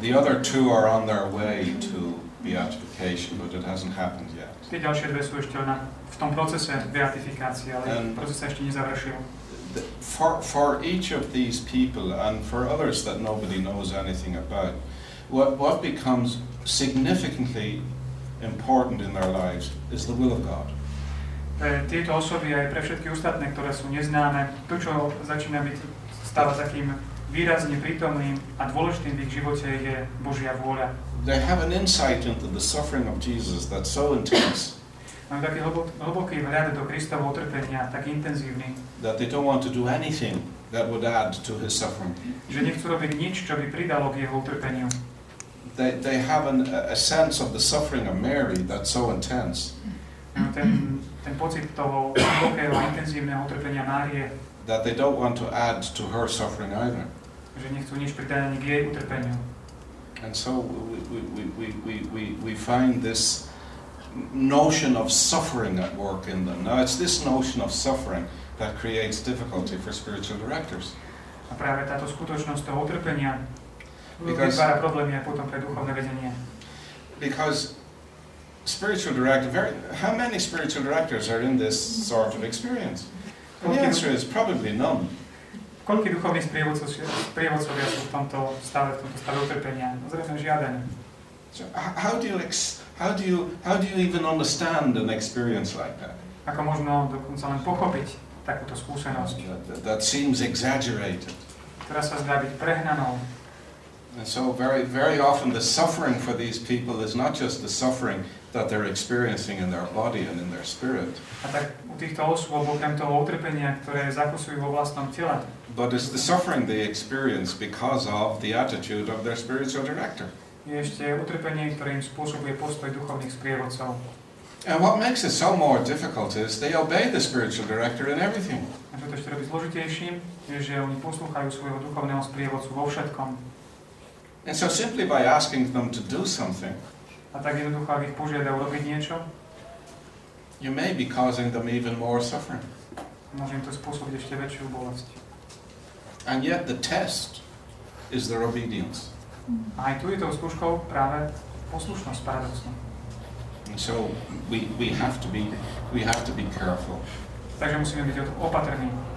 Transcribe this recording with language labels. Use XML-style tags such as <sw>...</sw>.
<en>The other two are on their way to beatification, but it hasn't happened yet.</en> <sk>Tie ďalšie dve sú ešte na, v tom procese beatifikácie, ale proces sa ešte nezavršil.</sk> <en>For each of these people and for others that nobody knows anything about, what becomes significantly important in their lives is the will of God.</en> <sk>Tieto osoby aj pre všetky ostatné, ktoré sú neznáme, to, čo začína byť stále takým výrazne prítomným a dôležitým v ich živote, je Božia vôľa.</sk> <en>They have an insight into the suffering of Jesus that's so intense.</en> <sk>Majú taký hlboký vhľad do Kristovho utrpenia, tak intenzívny.</sk> <en>That they don't want to do anything that would add to his suffering.</en> <sk>Že nechcú robiť nič, čo by pridalo k jeho utrpeniu.</sk> <en>They have a sense of the suffering of Mary that's so intense.</en> <sk>Ten pocit toho hlbokého intenzívneho utrpenia Márie.</sk> <en>That they don't want to add to her suffering either.</en> <sk>Že nechcú nič pridať ani k jej utrpeniu.</sk> <en>And so we find this notion of suffering at work in them. Now it's this notion of suffering that creates difficulty for spiritual directors.</en> <sk>A práve táto skutočnosť toho utrpenia vytvára problémy aj potom pre duchovné vedenie.</sk> <en>Because spiritual director, how many spiritual directors are in this sort of experience? The answer is probably none.</en> <sk>Koľký duchovný sprievodcovia sú v tomto stave utrpenia? Zrejme žiaden.</sk> <en>So how do you even understand an experience like that?</en> <sk>Ako možno dokonca len pochopiť takúto skúsenosť?</sk> <en>That seems exaggerated.</en> <sk>Ktorá sa zdá byť prehnanou.</sk> <en>And so very, very often the suffering for these people is not just the suffering that they're experiencing in their body and in their spirit.</en> <sk>A tak u týchto osôb, okrem toho utrpenia, ktoré zakusujú vo vlastnom tele.</sk> <en>But it's the suffering they experience because of the attitude of their spiritual director.</en> <sk>Je ešte utrpenie, ktoré im spôsobuje postoj duchovných sprievodcov.</sk> <en>And what makes it so more difficult is they obey the spiritual director in everything.</en> <sk>A čo to ešte robí zložitejším, je, že oni poslúchajú svojho duchovného sprievodcu vo všetkom.</sk> <en>And so simply by asking them to do something,</en> <sk>a tak jednoducho, ak ich požiadajú robiť niečo,</sk> <en>you may be causing them even more suffering.</en> <sk>Môže im to spôsobiť ešte väčšiu bolesť.</sk> <en>And yet the test is their obedience.</en> <sk>A aj tu je tou skúškou práve poslušnosť, paradoxne.</sk> <en>So we have to be careful.</en> <sk>Takže musíme byť opatrní.</sk>